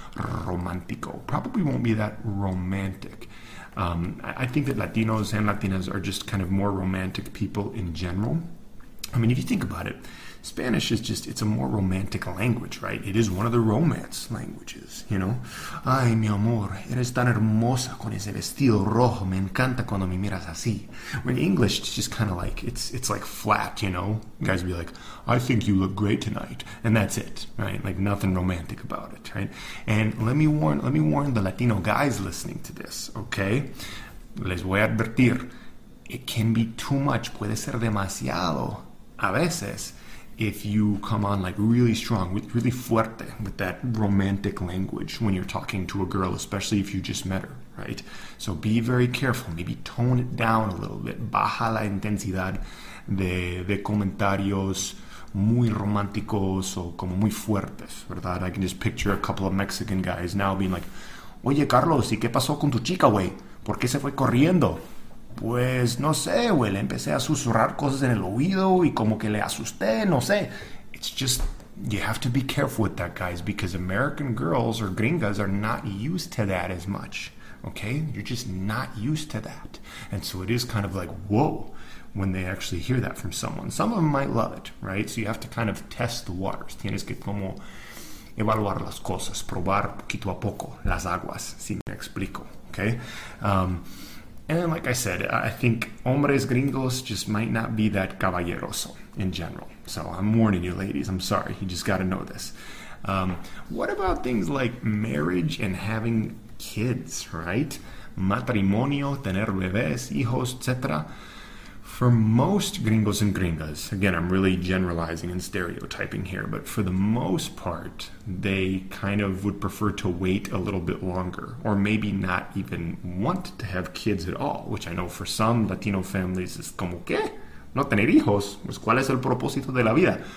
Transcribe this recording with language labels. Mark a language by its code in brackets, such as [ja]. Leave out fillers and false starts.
[en] Romantico. Probably won't be that romantic. I think that Latinos and Latinas are just kind of more romantic people in general. I mean, if you think about it, Spanish is just, it's a more romantic language, right? It is one of the romance languages, you know? [es] Ay, mi amor, eres tan hermosa con ese vestido rojo. Me encanta cuando me miras así. [en] When English, it's just kind of like, it's like flat, you know? Guys would be like, I think you look great tonight. And that's it, right? Like nothing romantic about it, right? And let me warn the Latino guys listening to this, okay? [es] Les voy a advertir. [en] It can be too much. [es] Puede ser demasiado. A veces. [en] If you come on like really strong, really fuerte with that romantic language when you're talking to a girl, especially if you just met her, right? So be very careful. Maybe tone it down a little bit. [es] Baja la intensidad de comentarios muy románticos o como muy fuertes, ¿verdad? [en] I can just picture a couple of Mexican guys now being like, [es] oye, Carlos, ¿y qué pasó con tu chica, güey? ¿Por qué se fue corriendo? Pues no sé, güey, le empecé a susurrar cosas en el oído y como que le asusté, no sé. [en] It's just, you have to be careful with that, guys, because American girls or gringas are not used to that as much. Okay? You're just not used to that. And so it is kind of like, whoa, when they actually hear that from someone. Some of them might love it, right? So you have to kind of test the waters. [es] Tienes que como evaluar las cosas, probar poquito a poco las aguas, si me explico, okay? [en] And like I said, I think hombres gringos just might not be that caballeroso in general. So I'm warning you, ladies. I'm sorry. You just got to know this. What about things like marriage and having kids, right? [es] Matrimonio, tener bebés, hijos, etc. [en] For most gringos and gringas, again, I'm really generalizing and stereotyping here, but for the most part, they kind of would prefer to wait a little bit longer, or maybe not even want to have kids at all, which I know for some Latino families is [es] como que no tener hijos, pues cuál es el propósito de la vida.